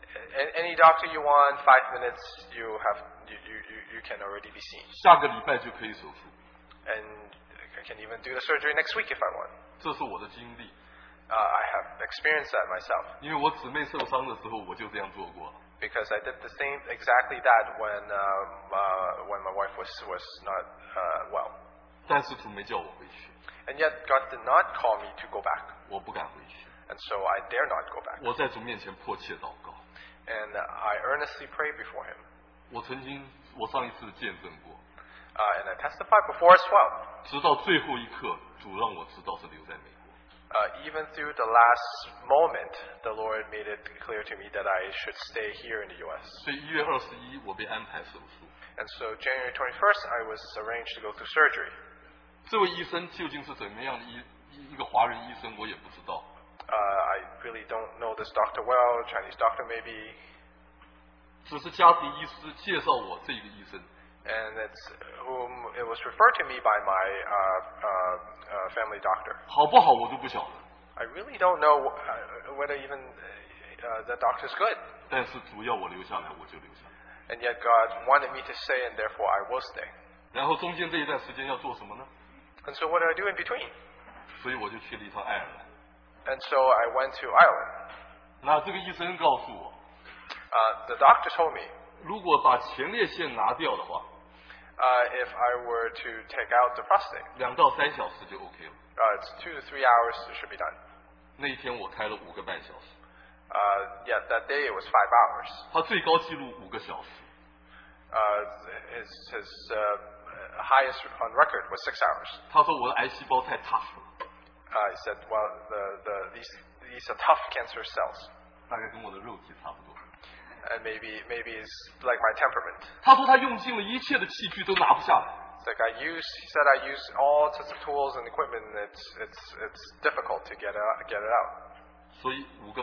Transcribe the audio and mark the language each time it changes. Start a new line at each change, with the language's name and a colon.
English: Any doctor you want, 5 minutes, you can already be seen.
Chinese: 下个礼拜就可以手术。
English: And I can even do the surgery next week if I want.
Chinese: 这是我的经历。
English: I have experienced that myself.
Chinese: 因为我姊妹受伤的时候，我就这样做过。
English: Because I did the same exactly that when my wife was not well.
Chinese: 但是主没叫我回去。
English: And yet God did not call me to go back.
Chinese: 我不敢回去。
English: And so I dare not go back.
Chinese: 我在主面前迫切祷告。
English: And I earnestly pray before him.
Chinese: 我上一次见证过。
English: And I testified before as well.
Chinese: 直到最后一刻，主让我知道是留在美国。
English: Even through the last moment, the Lord made it clear to me that I should stay here in the U.S.
Chinese: 所以一月二十一，我被安排手术。
English: And so January 21st, I was arranged to go through surgery.
Chinese: 这位医生究竟是怎么样的一个华人医生，我也不知道。
English: I really don't know this doctor well, Chinese doctor maybe.
Chinese: 只是家庭医师介绍我这个医生。
English: And it's whom it was referred to me by my family doctor.
Chinese: 好不好我都不晓得。
English: I really don't know whether even the doctor's good.
Chinese: 但是主要我留下来我就留下来。
English: And yet God wanted me to stay and therefore I will stay.
Chinese: 然后中间这一段时间要做什么呢？
English: And so what do I do in between?
Chinese: 所以我就去了一趟爱尔兰。
English: And so I went to Ireland.
Chinese: 那这个医生告诉我。
English: The doctor told me.
Chinese: 如果把前列腺拿掉的话。
English: If I were to take out the prostate.
Chinese: 2到3小时就 OK 了。
English: It's 2 to 3 hours it should be done.
Chinese: 那一天我开了5个半小时。
English: Yeah, that day it was 5 hours.
Chinese: 他最高记录5个小时。
English: His highest on record was 6 hours.
Chinese: 他说我的癌细胞太tough了。
English: He said, well, these are tough cancer cells.
Chinese: 大概跟我的肉体差不多。
English: And maybe it's like my temperament.
Chinese: 他说他用尽了一切的器具都拿不下来。
English: Like he said I use all sorts of tools and equipment, and it's difficult to get it out.